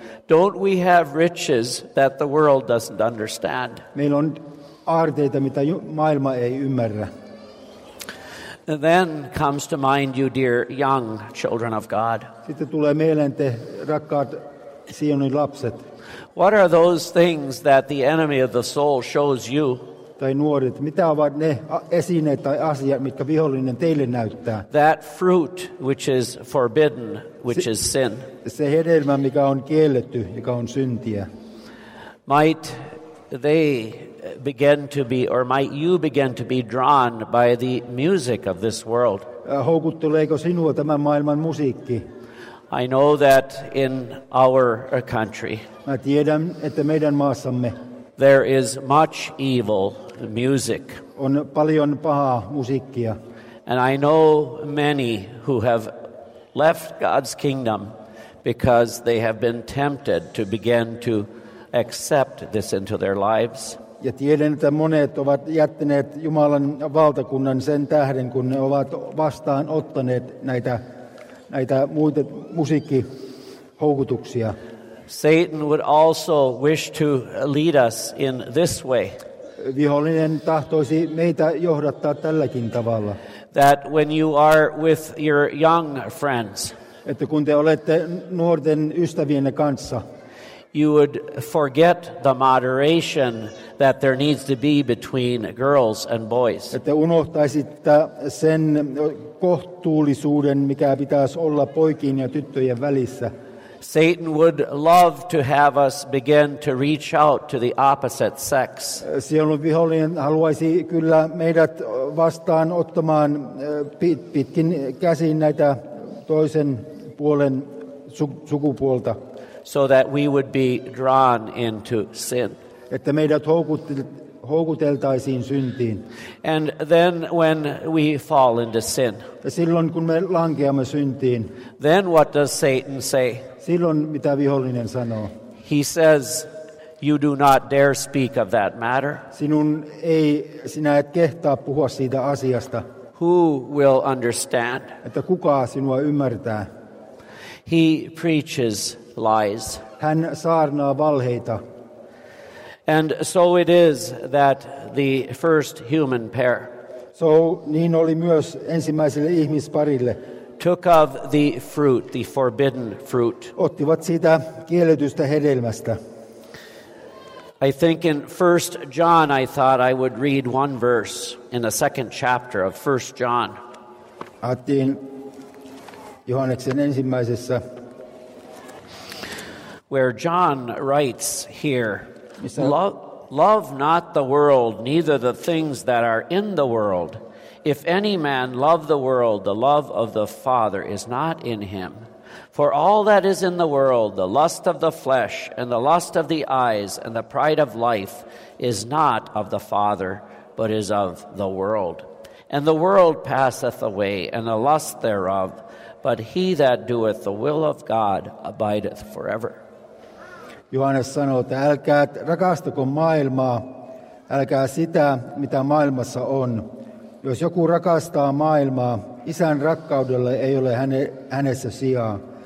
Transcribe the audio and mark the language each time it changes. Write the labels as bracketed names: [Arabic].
[English] don't we have riches that the world doesn't understand? [Finnish] Meillä on aarteita, mitä maailma ei ymmärrä. [English] And then comes to mind, you dear young children of God. [Finnish] Sitten tulee mieleen te rakkaat Sionin lapset. [English] What are those things that the enemy of the soul shows you? [Finnish] Tai nuoret, mitä ovat ne esineet tai asiat, mitkä vihollinen teille näyttää? [English] That fruit which is forbidden, which is sin. [Finnish] Se hedelmä, mikä on kielletty, mikä on syntiä. [English] Might they begin to be, or might you begin to be drawn by the music of this world? [Finnish] Houkutteleeko sinua tämän maailman musiikki? [English] I know that in our country. [Finnish] Mä tiedän, että meidän maassamme. [English] There is much evil music. [Finnish] On paljon pahaa musiikkia. [English] And I know many who have left God's kingdom because they have been tempted to begin to accept this into their lives. [Finnish] Ja tiedän, että monet ovat jättäneet Jumalan valtakunnan sen tähden, kun ne ovat vastaan ottaneet näitä muita musiikkihoukutuksia. [English] Satan would also wish to lead us in this way. [Finnish] Vihollinen tahtoisi meitä johdattaa tälläkin tavalla. [English] That when you are with your young friends. [Finnish] Että kun te olette nuorten ystävienne kanssa. [English] you would forget the moderation that there needs to be between girls and boys. [Finnish] Että unohtaisit sen kohtuullisuuden, mikä pitäisi olla poikien ja tyttöjen välissä. [English] Satan would love to have us begin to reach out to the opposite sex. [Finnish] Sielun vihollinen haluaisi kyllä meidät vastaan ottamaan pitkin käsin näitä toisen puolen sukupuolta. [English] So that we would be drawn into sin. [Finnish] Että meidät houkuteltaisiin syntiin. [English] And then when we fall into sin. [Finnish] Ja silloin kun me lankeamme syntiin. [English] Then what does Satan say? [Finnish] Silloin mitä vihollinen sanoo? [English] He says, you do not dare speak of that matter. [Finnish] Sinä et kehtaa puhua siitä asiasta. [English] Who will understand? [Finnish] Että kuka sinua ymmärtää? [English] He preaches lies. [Finnish] Hän saarnaa valheita. [English] And so it is that the first human pair. [Finnish] So niin oli myös ensimmäiselle ihmisparille. [English] Took of the fruit, the forbidden fruit. [Finnish] Ottivat siitä kielletystä hedelmästä. [English] I think in 1 John I thought I would read one verse in the second chapter of 1 John. [Finnish] Ajattelin Johanneksen ensimmäisessä. [English] Where John writes here, love not the world, neither the things that are in the world. If any man love the world, the love of the Father is not in him. For all that is in the world, the lust of the flesh, and the lust of the eyes, and the pride of life, is not of the Father, but is of the world. And the world passeth away, and the lust thereof, but he that doeth the will of God abideth forever. [Finnish] Johannes sanoo, että älkää rakastako maailmaa, älkää sitä, mitä maailmassa on. Jos joku rakastaa maailmaa, isän rakkaudella ei ole hänessä sijaa.